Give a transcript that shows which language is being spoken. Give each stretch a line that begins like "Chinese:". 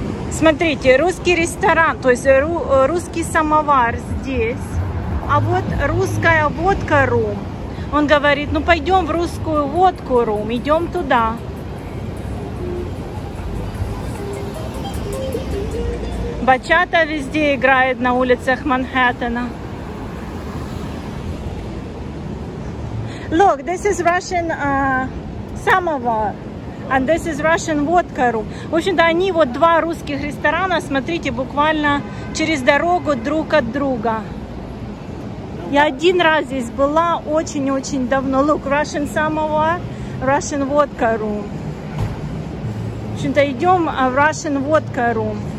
Russian: Смотрите, русский ресторан, то есть русский самовар здесь, а вот русская водка рум. Он говорит, ну пойдем в русскую водку рум, идем туда. Бачата везде играет на улицах Манхэттена.
English: Look, this is Russian samovar. And this is Russian vodka room.
Russian: В общем-то, они вот два русских ресторана, смотрите, буквально через дорогу друг от друга. Я один раз здесь была очень-очень давно. Look, Russian samovar, Russian vodka room. В общем-то, идем в Russian vodka room.